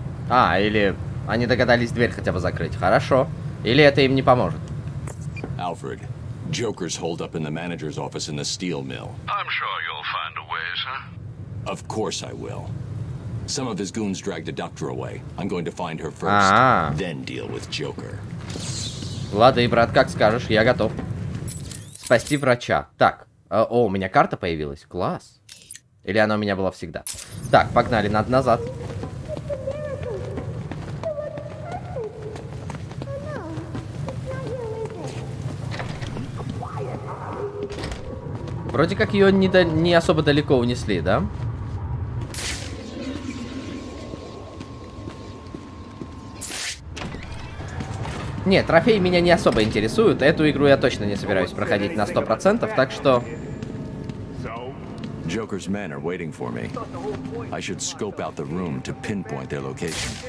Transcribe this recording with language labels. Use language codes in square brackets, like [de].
[ru] А, или они догадались дверь хотя бы закрыть. Хорошо. Или это им не поможет. [en] Alfred, Joker's hold up in the manager's office in the steel mill. I'm sure you'll find a way, sir. Of course I will. Some of his goons dragged a doctor away. I'm going to find her first, then deal with Joker. [ru] Ладно, и брат, как скажешь, я готов. Спасти врача. Так, о, у меня карта появилась. Класс. Или она у меня была всегда? Так, погнали, надо назад. Вроде как ее не особо далеко унесли, да? Нет, трофеи меня не особо интересуют. Эту игру я точно не собираюсь проходить на 100%, так что... [en] Joker's men are waiting for me. I should scope out the room to pinpoint their location.